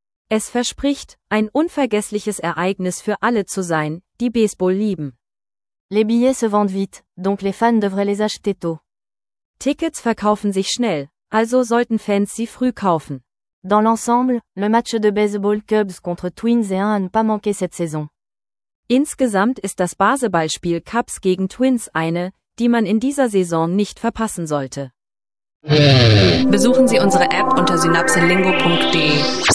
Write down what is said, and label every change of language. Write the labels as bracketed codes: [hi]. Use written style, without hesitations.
[de] Es verspricht, ein unvergessliches Ereignis für alle zu sein, die Baseball lieben. [fr] Les billets se vendent vite, donc les fans devraient les acheter tôt. [de] Tickets verkaufen sich schnell, also sollten Fans sie früh kaufen. [fr] Dans l'ensemble, le match de baseball Cubs contre Twins est un à ne pas manquer cette saison. [de] Insgesamt ist das Baseballspiel Cubs gegen Twins eine, die man in dieser Saison nicht verpassen sollte. Besuchen Sie unsere App unter synapselingo.de.